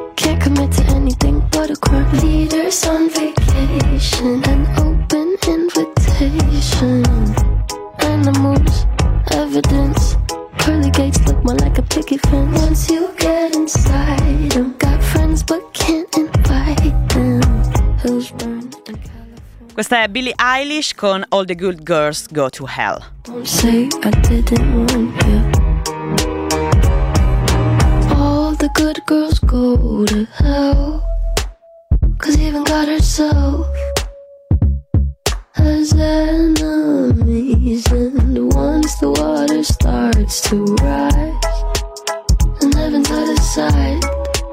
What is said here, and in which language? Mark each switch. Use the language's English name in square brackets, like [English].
[English] Can't commit to anything but a crime. Leaders on vacation, an open invitation. Animals, evidence. Pearly gates look more like a picket fence. Once you get inside them, got friends but can't invite them. Who's burned the cow? [Italian] Questa è Billie Eilish con All the Good Girls Go to Hell. [English] Don't say I didn't want you. All the good girls go to hell. Cause even God herself has enemies. And once the water starts to rise, and heaven's out of sight.